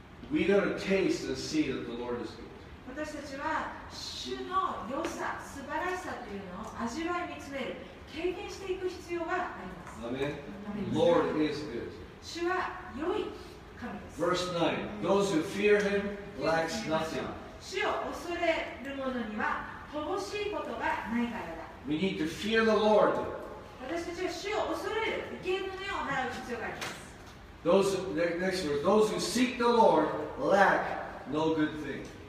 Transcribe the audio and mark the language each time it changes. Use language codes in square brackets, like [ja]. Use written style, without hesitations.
[en] We got to taste and see that the Lord is good. [ja] 私たちは主の良さ、素晴らしさというのを味わい見つめる、経験していく必要があります。 [en] Amen. Lord is good. [ja] 主は良い神です。 [en] Verse 9. Those who fear Him lacks nothing. [ja] 主を恐れる者には乏しいことがないからだ。 [en] We need to fear the Lord. Next verse, those who seek the Lord lack no good thing.